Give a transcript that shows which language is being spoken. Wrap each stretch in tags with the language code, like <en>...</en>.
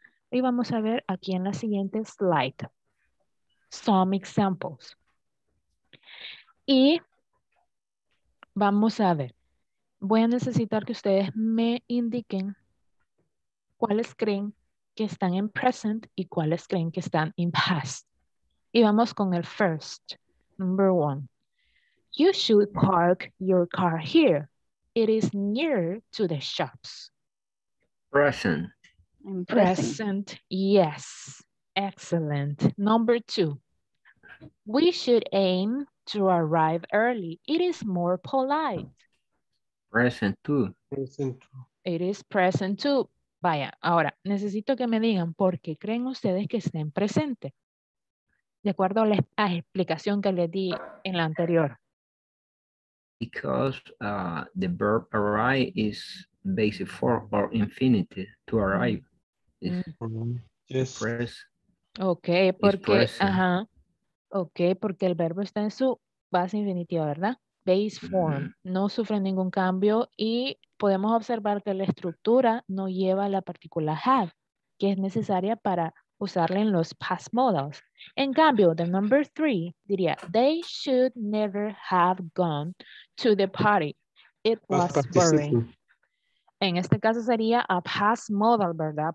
<es>Y vamos a ver aquí en la siguiente slide.</es> <en>Some examples.</en> <es>Y vamos a ver. Voy a necesitar que ustedes me indiquen cuáles creen que están en present y cuáles creen que están en past. Y vamos con el first.</es> <en>Number one, you should park your car here. It is nearer to the shops. Present. Present, yes. Excellent. Number two. We should aim to arrive early. It is more polite. Present two. Present two. It is present two.</en> <es>Vaya, ahora necesito que me digan por qué creen ustedes que estén presentes. De acuerdo a la explicación que les di en la anterior.</es> <en>Because the verb arrive is basic form or infinitive to arrive. Is yes. Press.</en> <es>Okay, porque ajá. Okay, porque el verbo está en su base infinitiva, ¿verdad?</es> <en>Base form.</en> <es>Mm-hmm. No sufre ningún cambio y podemos observar que la estructura no lleva la partícula have, que es necesaria para usarla en los past modals. En cambio,</es> <en>the number three</en> <es>diría,</es> <en>they should never have gone to the party. It was boring.</en> <es>En este caso sería a past modal, ¿verdad?</es>